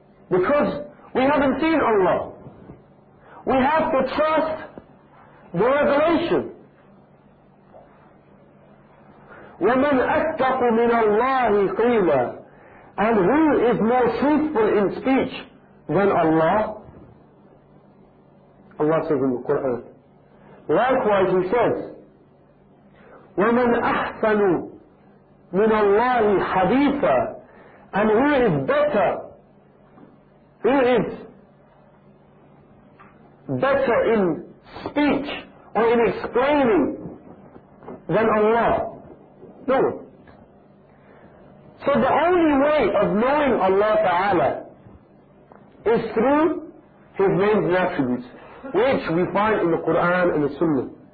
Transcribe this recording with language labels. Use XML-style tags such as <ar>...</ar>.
<en>Because we haven't seen Allah. We have to trust the revelation.</en> <ar>وَمَنْ أَتَّقُ مِنَ اللَّهِ قِيلًا.</ar> <en>And who is more truthful in speech than Allah? Allah says in the Qur'an. Likewise He says,</en> <ar>وَمَنْ أَحْسَنُ مِنَ اللَّهِ حَدِيثًا.</ar> <en>And who is better? Who is better in speech or in explaining than Allah? No. So the only way of knowing Allah Ta'ala is through His names and attributes, which we find in the Qur'an and the Sunnah.</en>